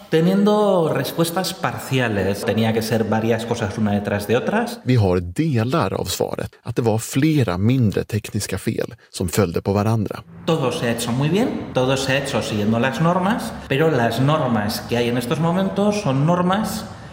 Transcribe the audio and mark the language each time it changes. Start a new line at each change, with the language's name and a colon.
Spanish: Teniendo respuestas parciales, tenía que ser varias cosas una detrás de otras.
Swedish: Vi har delar av svaret, att det var flera mindre tekniska fel som följde på varandra.
Spanish: Todo se ha hecho muy bien, todo se ha hecho siguiendo las normas, pero las normas que hay en estos momentos son normas